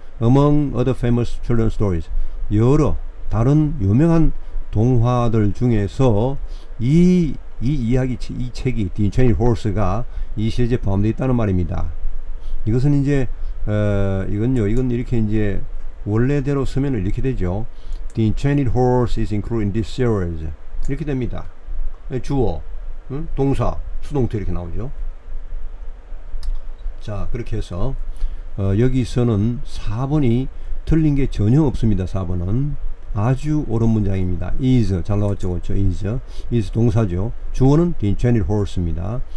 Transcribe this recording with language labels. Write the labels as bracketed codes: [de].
[en] Among other famous children's stories, [ko] 여러 다른 유명한 동화들 중에서 이 이야기, 이 책이 The Enchanted Horse가 이 시리즈에 포함되어 있다는 말입니다. 이것은 이제 이건 이렇게 이제 원래대로 쓰면 이렇게 되죠. [en] The Enchanted Horse is included in this series. [ko] 이렇게 됩니다. 주어, 동사, 수동태 이렇게 나오죠. 자, 그렇게 해서 여기서는 4번이 틀린 게 전혀 없습니다. 4번은 아주 옳은 문장입니다. Is 잘 나왔죠, 그렇죠? Is 동사죠. 주어는 The Enchanted Horse입니다.